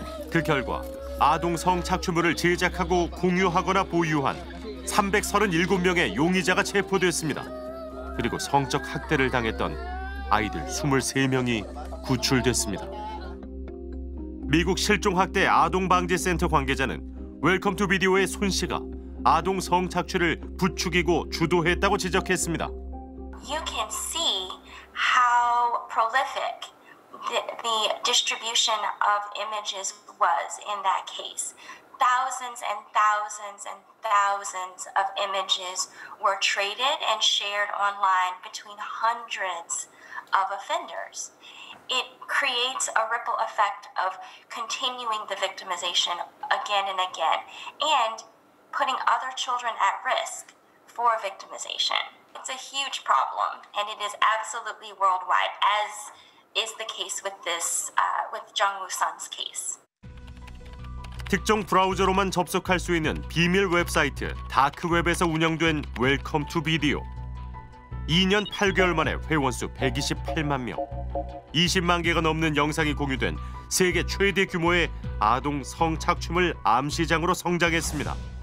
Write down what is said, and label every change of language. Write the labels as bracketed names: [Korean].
[Korean] 그 결과 아동 성착취물을 제작하고 공유하거나 보유한 337명의 용의자가 체포됐습니다. 그리고 성적 학대를 당했던 아이들 23명이 구출됐습니다. 미국 실종학대 아동방지센터 관계자는 웰컴 투 비디오의 손 씨가 아동 성착취를 부추기고 주도했다고 지적했습니다. [English] You can see how prolific the distribution of images was in that case. Thousands and thousands and thousands of images were traded and shared online between hundreds of offenders. It creates a ripple effect of continuing the victimization again and again and putting other children at risk for victimization. It's a huge problem and it is absolutely worldwide, as is the case with this, with Jung Woo-sun's case. [Korean] 특정 브라우저로만 접속할 수 있는 비밀 웹사이트 다크웹에서 운영된 웰컴 투 비디오. 2년 8개월 만에 회원 수 128만 명. 20만 개가 넘는 영상이 공유된 세계 최대 규모의 아동 성착취물 암시장으로 성장했습니다.